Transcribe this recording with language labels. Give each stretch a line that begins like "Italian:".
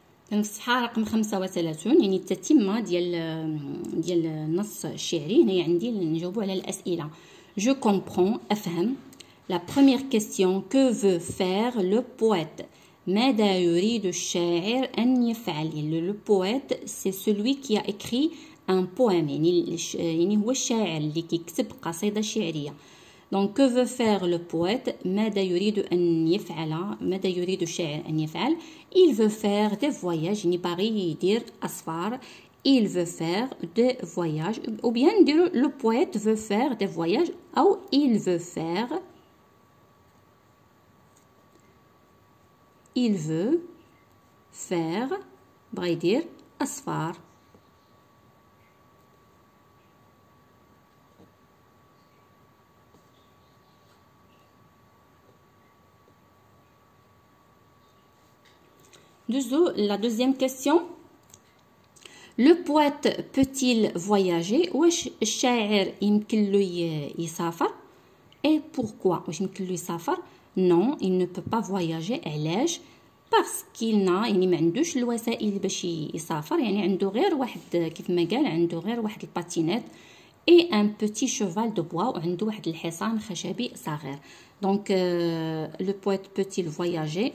French: Donc la page 35,
Arabic: يعني التتمه ديال النص الشعري. هنا عندي نجاوب على الاسئله.
French: Je comprends,
Arabic: افهم.
French: La première question, que veut faire le poète?
Arabic: ماذا يريد الشاعر ان يفعل؟
French: Le poète, c'est celui qui a écrit un poème,
Arabic: يعني هو الشاعر اللي كيكتب قصيدة شعرية.
French: Donc que veut faire le poète,
Arabic: ماذا يريد ان يفعل, ماذا يريد الشاعر ان يفعل.
French: Il veut faire des voyages, يعني باغي يدير اسفار. Il veut faire des voyages, ou bien dire le poète veut faire des voyages, ou il veut faire il veut faire braider asfar. La deuxième question. Le poète peut-il voyager?
Arabic: واش الشاعر يمكن له يسافر؟
French: Et pourquoi?
Arabic: واش يمكن له يسافر؟
French: Non, il ne peut pas voyager.
Arabic: علاش؟
French: Parce qu'il n'a,
Arabic: يعني ما عندوش الوسائل باش يسافر. يعني عنده غير واحد كيف ما قال عنده غير واحد الباتينيت اي ان بوتي شوفال دو بوا وعنده واحد الحصان خشبي صغير.
French: Donc le poète peut-il voyager?